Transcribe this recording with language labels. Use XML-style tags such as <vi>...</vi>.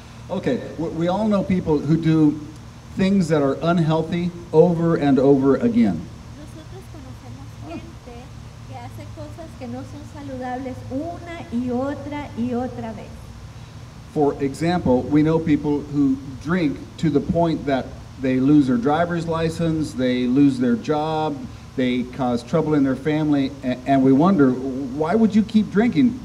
<en>Okay, we all know people who do things that are unhealthy over and over again.</en> <es>Nosotros conocemos gente que hace cosas que no son saludables una y otra vez.</es> <en>For example, we know people who drink to the point that they lose their driver's license, they lose their job, they cause trouble in their family, and we wonder, why would you keep drinking?</en>